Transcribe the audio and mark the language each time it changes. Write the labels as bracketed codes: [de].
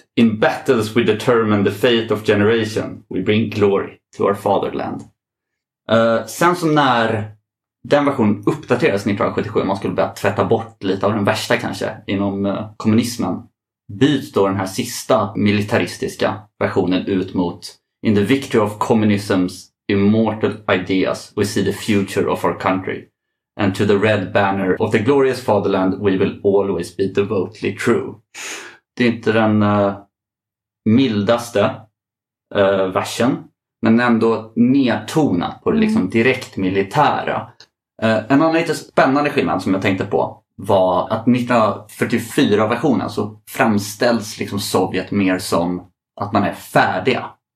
[en] In battles we determine the fate of generation. We bring glory to our fatherland. [sv] Sen som när den versionen uppdaterades 1977, man skulle börja tvätta bort lite av den värsta kanske inom kommunismen, byts då den här sista militaristiska versionen ut mot [en] In the victory of communism's immortal ideas, we see the future of our country. And to the red banner of the glorious fatherland, we will always be devoutly true. [sv] Det är inte den mildaste versen, men ändå nedtonat på det liksom direkt militära. En annan lite spännande skillnad som jag tänkte på var att 1944-versionen så framställs liksom Sovjet mer som att man är färdiga.